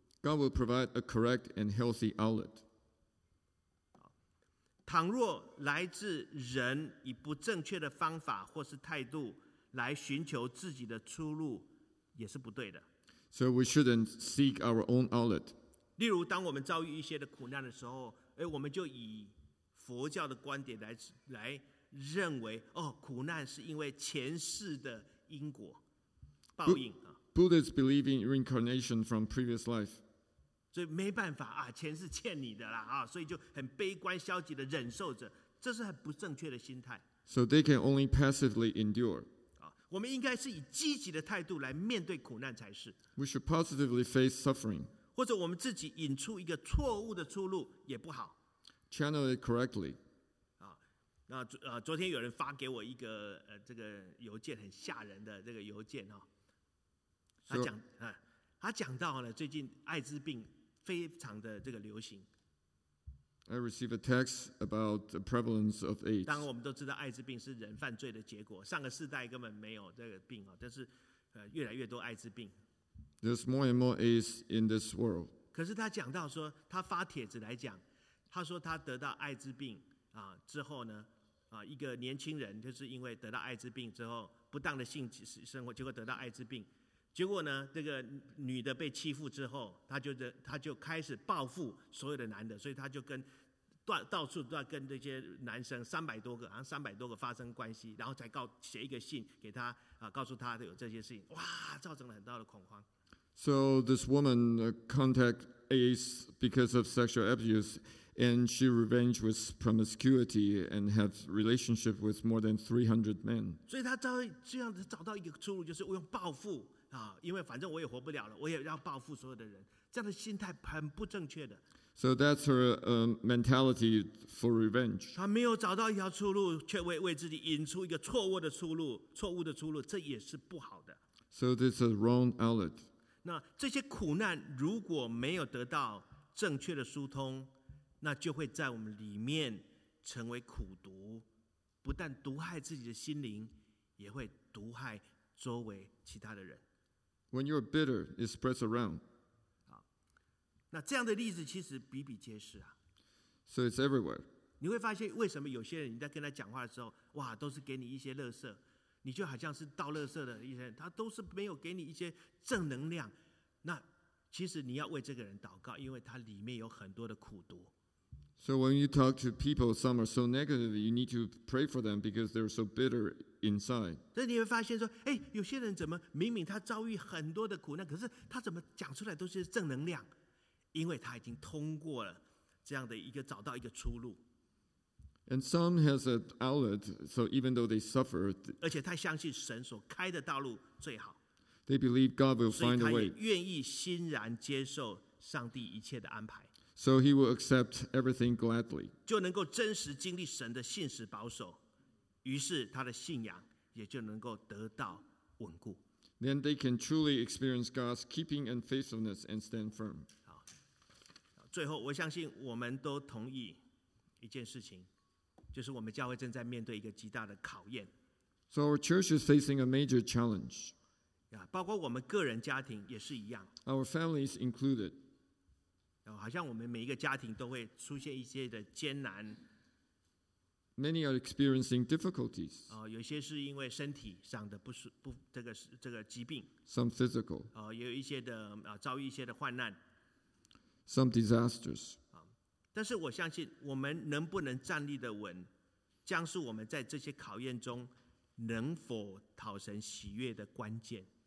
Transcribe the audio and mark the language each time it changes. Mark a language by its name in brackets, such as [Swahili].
[English] God will provide a correct and healthy outlet. [Chinese] 倘若来自人以不正确的方法或是态度来寻求自己的出路，也是不对的。 [English] So we shouldn't seek our own outlet. [Chinese] 例如当我们遭遇一些的苦难的时候，我们就以佛教的观点来认为，哦，苦难是因为前世的因果报应。 [English] Buddhists believe in reincarnation from previous life. [Chinese] 所以没办法啊，前世欠你的啦，所以就很悲观消极的忍受着，这是很不正确的心态。 [English] So they can only passively endure. [Chinese] 我们应该是以积极的态度来面对苦难才是。 [English] We should positively face suffering. [Chinese] 或者我们自己引出一个错误的出路也不好。 [English] Channel it correctly. [Chinese] 那昨天有人发给我一个这个邮件，很吓人的这个邮件哈、哦。他讲到了最近艾滋病非常的这个流行。 [English] I received a text about the prevalence of AIDS. [Chinese] 当然我们都知道艾滋病是人犯罪的结果，上个世代根本没有这个病啊、哦，但是越来越多艾滋病。 [English] There's more and more AIDS in this world. [Chinese] 可是他讲到说，他发帖子来讲，他说他得到艾滋病。之后呢一个年轻人就是因为得到艾滋病之后不当的性生活，结果得到艾滋病，结果呢这个女的被欺负之后，她就开始报复所有的男的，所以她就跟到处都要跟这些男生三百多个发生关系，然后才写一个信给她告诉她有这些事情，哇，造成了很大的恐慌。 [English] So this woman contact AIDS because of sexual abuseAnd she revenged with promiscuity and had relationship with more than 300 men. [Chinese] 所以她找到一个出路，就是我用报复啊，因为反正我也活不了了，我也要报复所有的人。这样的心态很不正确的。 [English] So that's her mentality for revenge. [Chinese] 她没有找到一条出路，却为自己引出一个错误的出路，错误的出路，这也是不好的。 [English] So this is a wrong outlet. [Chinese] 那这些苦难如果没有得到正确的疏通，那就会在我们里面成为苦毒，不但毒害自己的心灵，也会毒害周围其他的人。 [English] When you're bitter, it spreads around. [Chinese] 好，那这样的例子其实比比皆是啊。 [English] So it's everywhere. [Chinese] 你会发现为什么有些人你在跟他讲话的时候，哇，都是给你一些垃圾，你就好像是倒垃圾的一些人，他都是没有给你一些正能量。那其实你要为这个人祷告，因为他里面有很多的苦毒。 [English] So when you talk to people, some are so negative, you need to pray for them because they're so bitter inside. [Chinese] 但你会发现说，哎，有些人怎么明明他遭遇很多的苦难，可是他怎么讲出来都是正能量？因为他已经通过了这样的一个找到一个出路。 [English] And some has an outlet, so even though they suffer, [Chinese] 而且他相信神所开的道路最好。 [English] They believe God will find a way. [Chinese] 所以他也愿意欣然接受上帝一切的安排。 [English] So he will accept everything gladly. [Chinese] 就能够真实经历神的信实保守，于是他的信仰也就能够得到稳固。 [English] Then they can truly experience God's keeping and faithfulness and stand firm. [Chinese] 好，最后我相信我们都同意一件事情，就是我们教会正在面对一个极大的考验。 [English] So our church is facing a major challenge. [Chinese] 包括我们个人家庭也是一样。 [English] Our families included. [Chinese] 好像我们每一个家庭都会出现一些的艰难。 [English] Many are experiencing difficulties. [Chinese] 有些是因为身体上的不这个疾病。 [English] Some physical. [Chinese] 有一些的遭遇一些的患难。 [English] Some disasters. [Chinese] 但是我相信我们能不能站立的稳，将是我们在这些考验中能否讨神喜悦的关键。